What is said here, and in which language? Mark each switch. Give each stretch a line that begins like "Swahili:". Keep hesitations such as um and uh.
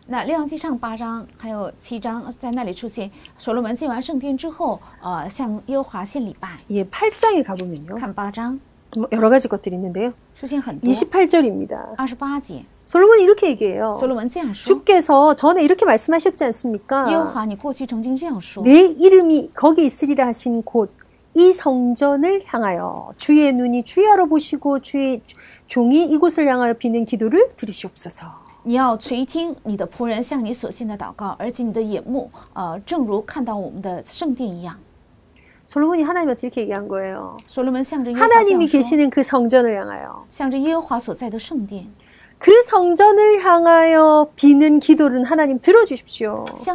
Chinese: 那列王记上八章还有七章在那里出现。所罗门建完圣殿之后，呃，向耶和华献礼拜。
Korean: 예, 네, 8장에 가보면요. 8장. 여러 가지 것들이 있는데요. 28절입니다. 28节. 솔로몬이 렇게 얘기해요. 솔로몬
Chinese: 这样说,
Korean: 주께서 전에 이렇게 말씀하셨지 않습니까?
Chinese: 耶和华你过去曾经这样
Korean: 내 이름이 거기 있으리라 하신 곳 이 성전을 향하여 주의 눈이 주의하러 보시고 주의 종이 이곳을 향하여 비는 기도를 들으시옵소서.
Chinese: 你要垂听你的仆人向你所献的祷告，而且你的眼目，呃，正如看到我们的圣殿一样。所罗门你向神面前献过哦。所罗门向着耶和华讲说。向着耶和华所在的圣殿。
Korean: 그 성전을 향하여 비는 기도를 하나님 들어주십시오.